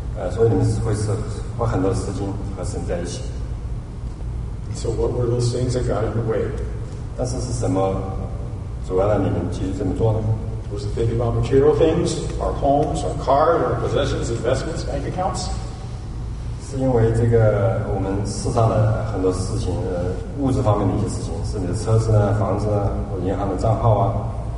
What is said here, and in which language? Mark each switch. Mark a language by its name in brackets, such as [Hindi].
[Chinese] 所以你们会花很多时间和神在一起。 [English] So what were those things that got in the way? [Chinese] 但是是什么阻碍了你们继续这么做呢？ [English] Was it thinking about material things? Our homes, our cars, our possessions, investments, bank accounts? [Chinese] 是因为这个我们世上的很多事情，物质方面的一些事情，是你的车子呢，房子呢，银行的账号啊。